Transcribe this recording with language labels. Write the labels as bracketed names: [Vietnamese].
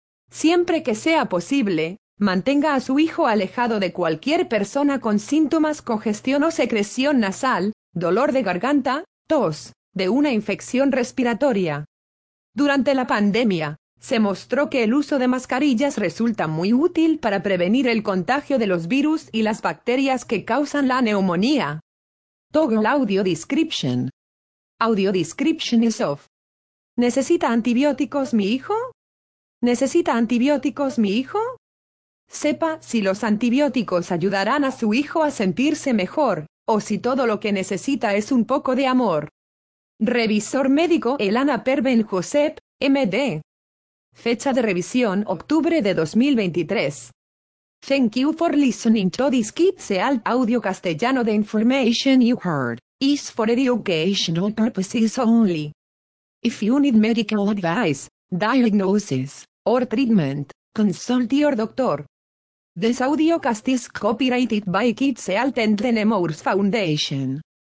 [Spanish] Siempre que sea posible, mantenga a su hijo alejado de cualquier persona con síntomas congestión o secreción nasal, dolor de garganta, tos, de una infección respiratoria. Durante la pandemia, se mostró que el uso de mascarillas resulta muy útil para prevenir el contagio de los virus y las bacterias que causan la neumonía. [English] Toggle Audio Description. Audio Description is off. [Spanish] ¿Necesita antibióticos mi hijo? ¿Necesita antibióticos mi hijo? Sepa si los antibióticos ayudarán a su hijo a sentirse mejor, o si todo lo que necesita es un poco de amor. Revisor médico Elana Perben Josep, MD. Fecha de revisión, octubre de 2023. [English] Thank you for listening to this Kids Health Audio Castellano. The information you heard is for educational purposes only. If you need medical advice, diagnosis, or treatment, consult your doctor. This audio cast is copyrighted by Kids Health and the Nemours Foundation.